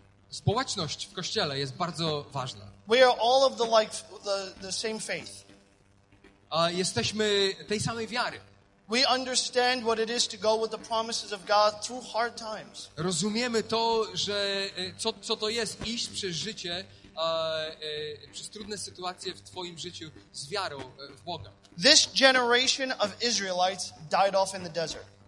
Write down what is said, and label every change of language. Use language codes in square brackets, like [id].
[pl] Społeczność w Kościele jest bardzo ważna. [en] We are all of the like the same faith. [pl] Jesteśmy tej samej wiary. [en] We understand what it is to go with the promises of God through hard times. [pl] Rozumiemy to, że co to jest iść przez życie, przez trudne sytuacje w twoim życiu z wiarą w Boga. [en] This generation of Israelites died off in the desert.